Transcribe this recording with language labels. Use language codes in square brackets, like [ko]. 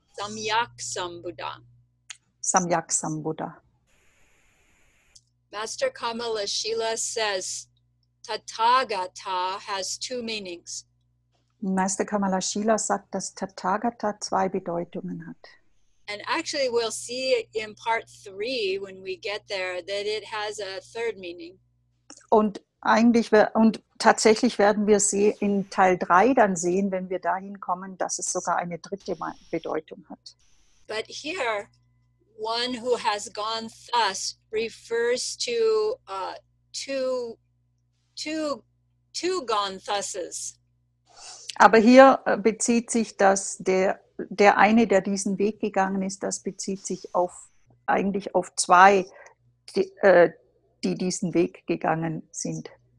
[sa] Samyaksambuddha. Samyaksambuddha. [en] Master Kamala Shila says, Tathagata has two meanings. [de] Master Kamala Shila sagt, dass Tathagata zwei Bedeutungen hat. [en] And actually we'll see in part three when we get there that it has a third meaning. [de] Und tatsächlich werden wir sie in Teil 3 dann sehen, wenn wir dahin kommen, dass es sogar eine dritte Bedeutung hat. [en] But here, one who has gone thus refers to two gone thuses. [de] Aber hier bezieht sich das, der eine, der diesen Weg gegangen ist, das bezieht sich auf eigentlich auf zwei, die diesen Weg gegangen sind.